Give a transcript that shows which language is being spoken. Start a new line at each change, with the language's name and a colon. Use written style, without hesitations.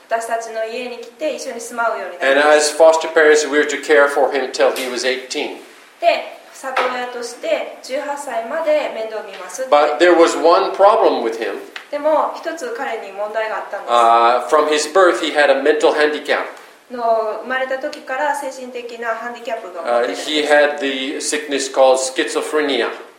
Japanese: 私たちの家に来て一緒に住まうようになりました。
English: And as foster parents, we were to care for him till he was 18.
Japanese: で里親として18歳まで面倒見ますって。
English: But there was one problem with him.
Japanese: でも一つ彼に問題があったんです。
English: From his birth, he had a mental handicap.
Japanese: の生まれた時から精神的なハンディキャップが持っているんです。
English: He had the sickness called schizophrenia.